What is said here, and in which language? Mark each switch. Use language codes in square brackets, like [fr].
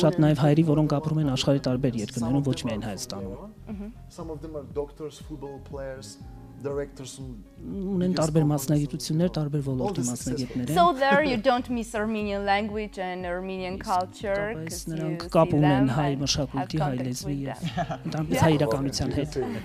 [hy] Շատ նաև հայերի, որոնք ապրում են աշխարհի տարբեր երկրներում, ոչ միայն Հայաստանում։ [en] Some of them are doctors, football players, directors. [hy] Ունեն տարբեր մասնագիտություններ, տարբեր ոլորտի մասնագետներ են։ [en] So there you don't miss Armenian language and Armenian culture. [hy] Բայց նրանք կապ ունեն հայ մշակույթի, հայ լեզվի եւ ընդհանրապես հայ իրականության հետ։